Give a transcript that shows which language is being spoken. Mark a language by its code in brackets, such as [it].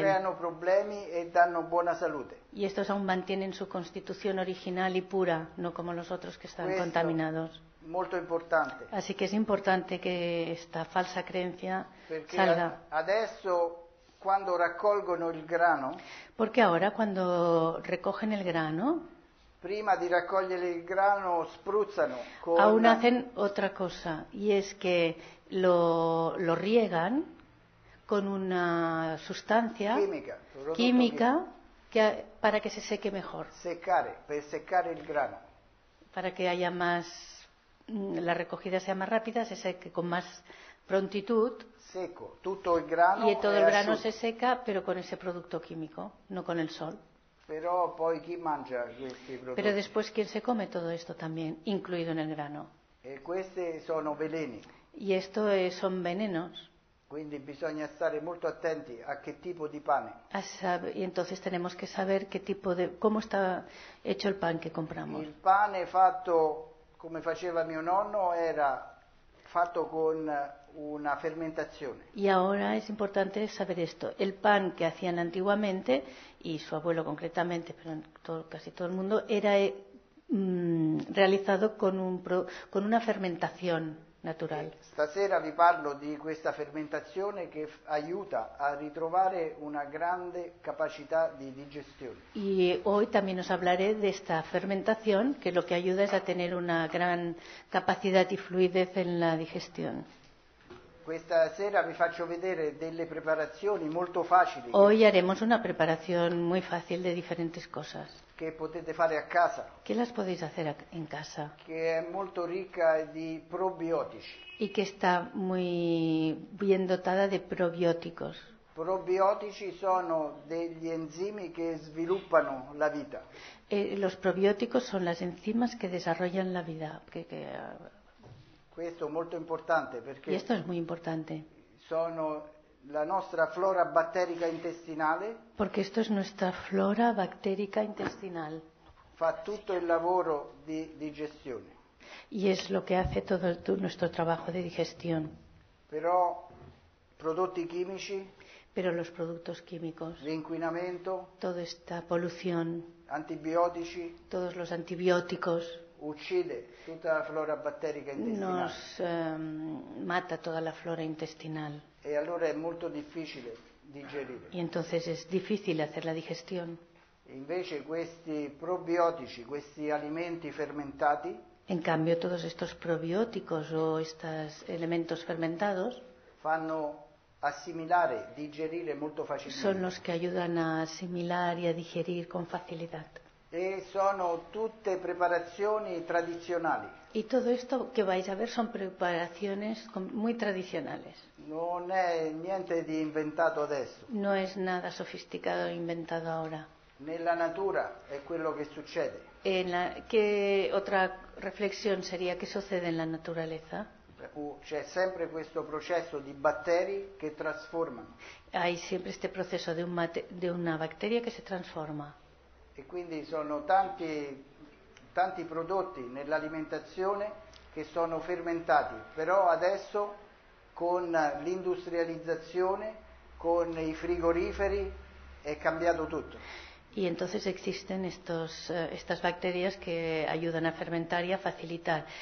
[it] Creano problemi e danno buona salute. [es] Y estos aún mantienen su constitución original y pura, no como los otros que están contaminados. [it] Molto importante. [es] Así que es importante que esta falsa creencia salga. [it] Quando raccolgono il grano? [es] Perché ora quando recogen el grano? [it] Prima di raccogliere il grano spruzzano con [es] Aún hacen otra cosa y es que lo riegan con una sustancia química que para que se seque mejor. [it] Per seccare il grano. [es] Para que haya más la recogida sea más rápida, se seque con más prontitud. [it] Seco, tutto il grano [es] y todo el grano se seca, pero con ese producto químico, no con el sol. [it] Pero, poi, chi mangia questi prodotti? [es] Pero después, ¿quién se come todo esto también, incluido en el grano? [it] E queste sono veleni. [es] Y esto son venenos. [it] Quindi bisogna stare molto attenti a che tipo di pane. [es] Y entonces tenemos que saber qué tipo de, cómo está hecho el pan que compramos. [it] Il pane fatto, come faceva mio nonno, era fatto con una fermentazione. [es] Y ahora es importante saber esto. El pan que hacían antiguamente, y su abuelo concretamente, pero casi todo el mundo, era realizado con una fermentación natural. [it] Stasera vi parlo di questa fermentazione che aiuta a ritrovare una grande capacità di digestione. [es] Y hoy también os hablaré de esta fermentación, que lo que ayuda es a tener una gran capacidad y fluidez en la digestión. [it] Questa sera vi faccio vedere delle preparazioni molto facili. [es] Hoy haremos una preparación muy fácil de diferentes cosas. [it] Che potete fare a casa. [es] Que las podéis hacer en casa. [it] Che è molto ricca di probiotici. [es] Y que está muy bien dotada de probióticos. [it] Probiotici sono degli enzimi che sviluppano la vita. [es] Los probióticos son las enzimas que desarrollan la vida. [it] Questo è molto importante perché [es] esto es muy importante. [it] Sono la nostra flora batterica intestinale. [es] Porque esto es nuestra flora bacterica intestinal. [it] Fa tutto il lavoro di digestione. [es] Y es lo que hace todo nuestro trabajo de digestión. [it] Però prodotti chimici. [es] Pero los productos químicos. [it] L'inquinamento. [es] Toda esta polución. [it] Antibiotici. [es] Todos los antibióticos. [it] Uccide tutta la flora batterica intestinale. [es] Nos mata toda la flora intestinal. [it] E allora è molto difficile digerire. [es] Y entonces es difícil hacer la digestión. [it] Invece questi probiotici, questi alimenti fermentati. [es] En cambio todos estos probióticos o estos elementos fermentados. [it] Fanno assimilare, digerire molto facilmente. [es] Son los que ayudan a asimilar y a digerir con facilidad. [it] E sono tutte preparazioni tradizionali. [es] Y todo esto que vais a ver son preparaciones muy tradicionales. [it] Non è niente di inventato adesso. [es] No es nada sofisticado inventado ahora. [it] Nella natura è quello che succede. [es] ¿Qué otra reflexión sería qué sucede en la naturaleza? [it] c'è sempre questo processo di batteri che trasformano. [es] Hay siempre este proceso de, de una bacteria [it] che si trasforma. E quindi sono tanti, tanti prodotti nell'alimentazione che sono fermentati, però adesso con l'industrializzazione, con i frigoriferi, è cambiato tutto. [es] Y entonces existen estos, estas bacterias que ayudan a fermentar y a facilitar.